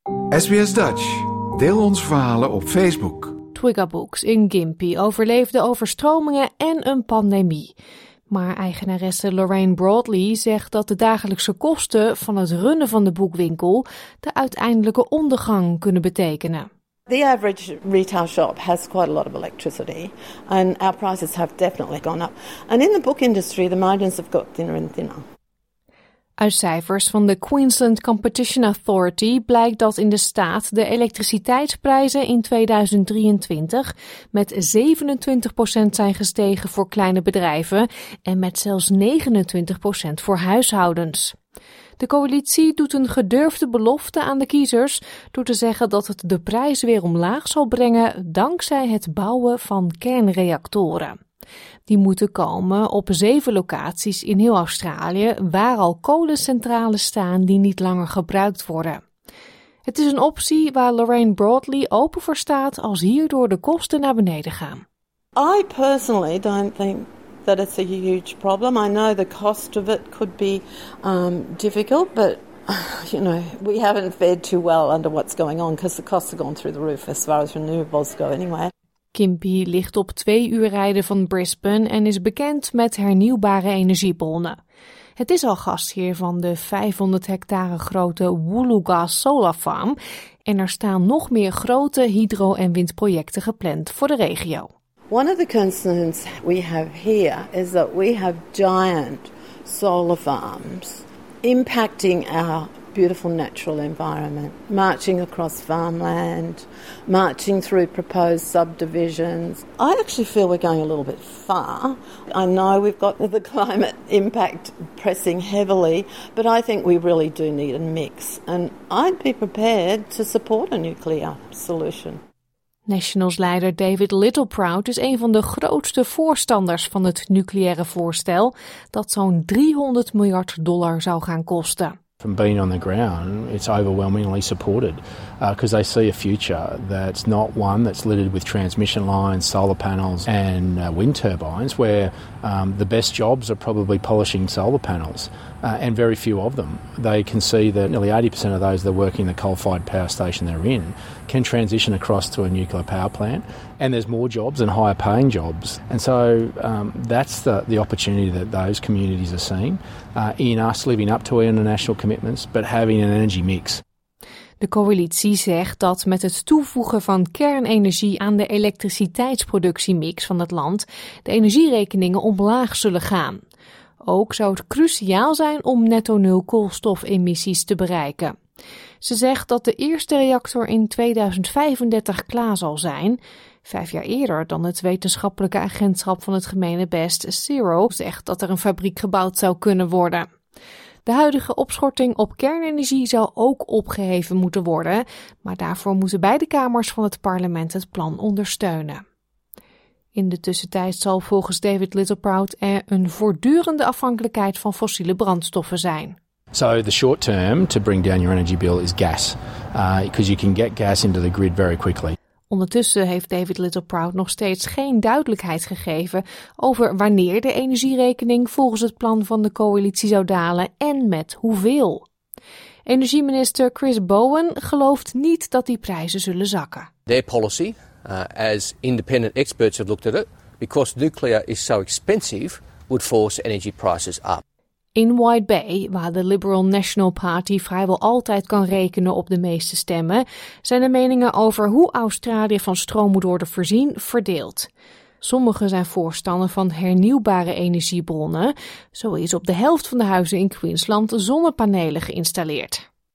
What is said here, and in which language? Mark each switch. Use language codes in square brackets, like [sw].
[nl] SBS Dutch, deel ons verhalen op Facebook. Twiggabooks in Gympie overleefde overstromingen en een pandemie. Maar eigenaresse Lorraine Broadley zegt dat de dagelijkse kosten van het runnen van de boekwinkel de uiteindelijke ondergang kunnen betekenen. [en] The average retail shop has quite a lot of electricity and our prices have definitely gone up. And in the book industry, the margins have got thinner and thinner. [nl] Uit cijfers van de Queensland Competition Authority blijkt dat in de staat de elektriciteitsprijzen in 2023 met 27% zijn gestegen voor kleine bedrijven en met zelfs 29% voor huishoudens. De coalitie doet een gedurfde belofte aan de kiezers door te zeggen dat het de prijs weer omlaag zal brengen dankzij het bouwen van kernreactoren. Die moeten komen op 7 locaties in heel Australië waar al kolencentrales staan die niet langer gebruikt worden. Het is een optie waar Lorraine Broadley open voor staat als hierdoor de kosten naar beneden gaan. [en] I personally don't think that it's a huge problem. I know the cost of it could be difficult, but you know, we haven't fared too well under what's going on because the costs have gone through the roof as far as renewables go anyway. [nl] Gympie ligt op 2 uur rijden van Brisbane en is bekend met hernieuwbare energiebronnen. Het is al gastheer van de 500 hectare grote Woolooga Solar Farm en er staan nog meer grote hydro- en windprojecten gepland voor de regio. [en] One of the concerns we have here is that we have giant solar farms impacting our beautiful natural environment, marching across farmland, marching through proposed subdivisions. I actually feel we're going a little bit far. I know we've got the climate impact pressing heavily, but I think we really do need a mix. And I'd be prepared to support a nuclear solution. [nl] Nationals-leider David Littleproud is een van de grootste voorstanders van het nucleaire voorstel dat zo'n $300 miljard zou gaan kosten. [en] From being on the ground, it's overwhelmingly supported because they see a future that's not one that's littered with transmission lines, solar panels and wind turbines where the best jobs are probably polishing solar panels and very few of them. They can see that nearly 80% of those that work in the coal-fired power station they're in can transition across to a nuclear power plant and there's more jobs and higher paying jobs. And so that's the opportunity that those communities are seeing in us living up to our international commitments, but having an energy mix. [nl] De coalitie zegt dat met het toevoegen van kernenergie aan de elektriciteitsproductiemix van het land de energierekeningen omlaag zullen gaan. Ook zou het cruciaal zijn om netto nul koolstofemissies te bereiken. Ze zegt dat de eerste reactor in 2035 klaar zal zijn, 5 jaar eerder dan het wetenschappelijke agentschap van het gemenebest Zero zegt dat er een fabriek gebouwd zou kunnen worden. De huidige opschorting op kernenergie zou ook opgeheven moeten worden, maar daarvoor moeten beide kamers van het parlement het plan ondersteunen. In de tussentijd zal volgens David Littleproud er een voortdurende afhankelijkheid van fossiele brandstoffen zijn. [en] So the short term to bring down your energy bill is gas, because you can get gas into the grid very quickly. [nl] Ondertussen heeft David Littleproud nog steeds geen duidelijkheid gegeven over wanneer de energierekening volgens het plan van de coalitie zou dalen en met hoeveel. Energieminister Chris Bowen gelooft niet dat die prijzen zullen zakken. [en] Their policy, as independent experts have looked at it, because nuclear is so expensive, would force energy prices up. [nl] In White Bay, waar de Liberal National Party vrijwel altijd kan rekenen op de meeste stemmen, zijn de meningen over hoe Australië van stroom moet worden voorzien verdeeld. Sommigen zijn voorstander van hernieuwbare energiebronnen. Zo is op de helft van de huizen in Queensland zonnepanelen geïnstalleerd.